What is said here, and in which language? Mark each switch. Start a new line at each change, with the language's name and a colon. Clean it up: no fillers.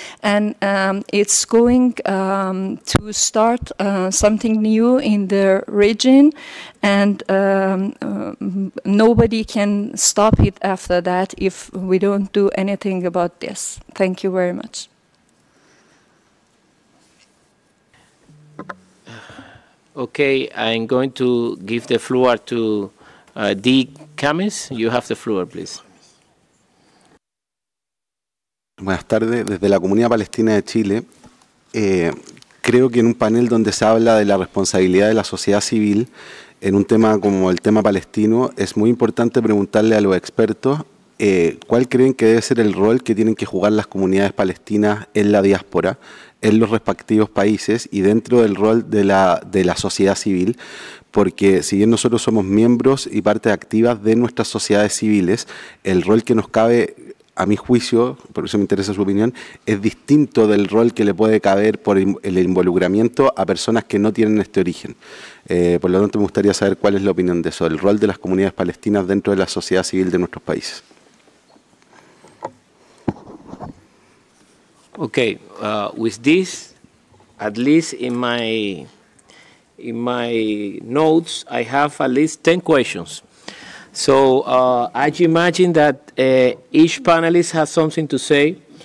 English: and it's going to start something new in the region, and nobody can stop it after that if we don't do anything about this. Thank you very much. Okay, I'm going to give the floor to Dee Camis. You have the floor, please.
Spanish: Buenas tardes. Desde la Comunidad Palestina de Chile, creo que en un panel donde se habla de la responsabilidad de la sociedad civil en un tema como el tema palestino, es muy importante preguntarle a los expertos cuál creen que debe ser el rol que tienen que jugar las comunidades palestinas en la diáspora, en los respectivos países y dentro del rol de la sociedad civil, porque si bien nosotros somos miembros y parte activa de nuestras sociedades civiles, el rol que nos cabe, a mi juicio, por eso me interesa su opinión, es distinto del rol que le puede caber por el involucramiento a personas que no tienen este origen. Por lo tanto, me gustaría saber cuál es la opinión de eso, el rol de las comunidades palestinas dentro de la sociedad civil de nuestros países.
English: Okay, with this, at least in my notes, I have at least 10 questions. So I imagine that each panelist has something to say.